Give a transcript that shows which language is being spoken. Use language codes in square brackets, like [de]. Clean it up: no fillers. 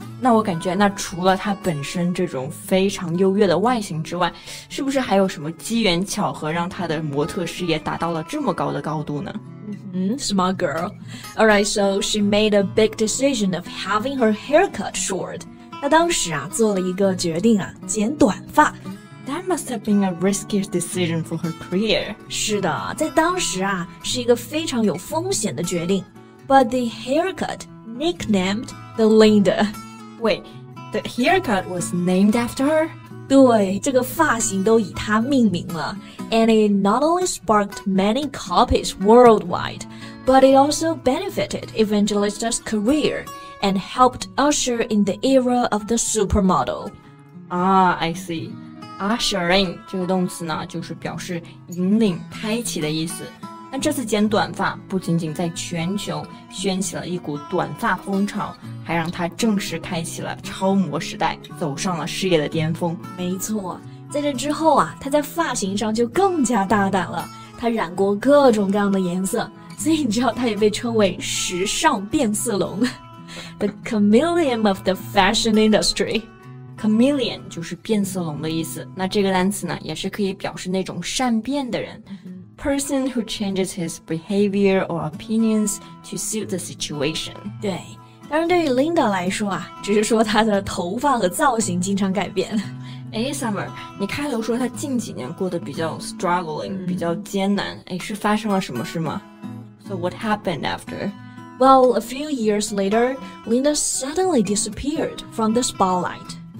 [zh] 那我感觉那除了他本身这种非常优越的外形之外，是不是还有什么机缘巧合让他的模特事业达到了这么高的高度呢？ [en] Smart girl. Alright, so she made a big decision of having her hair cut short. [zh] 她当时啊做了一个决定啊，剪短发。 [en] That must have been a risky decision for her career. [zh] 是的，在当时啊是一个非常有风险的决定。 [en] But the haircut nicknamed the Linda. Wait, the haircut was named after her? [zh] 对，这个发型都以她命名了。 [en] And it not only sparked many copies worldwide, but it also benefited Evangelista's career and helped usher in the era of the supermodel. Ah, I see. Ushering [zh] 这个动词呢，就是表示引领、开启的意思。那这次剪短发不仅仅在全球掀起了一股短发风潮，还让她正式开启了超模时代，走上了事业的巅峰。没错，在这之后啊，她在发型上就更加大胆了，她染过各种各样的颜色，所以你知道她也被称为时尚变色龙。 [en] The chameleon of the fashion industry. [zh] Chameleon 就是变色龙的意思，那这个单词呢也是可以表示那种善变的人。 [en] Person who changes his behavior or opinions to suit the situation. [zh] 对，当然对于 Linda 来说啊，只是说她的头发和造型经常改变。哎 ，Summer， 你开头说她近几年过得比较 struggling，比较艰难，哎，是发生了什么事吗 ？ [en] So what happened after? Well, a few years later, Linda suddenly disappeared from the spotlight.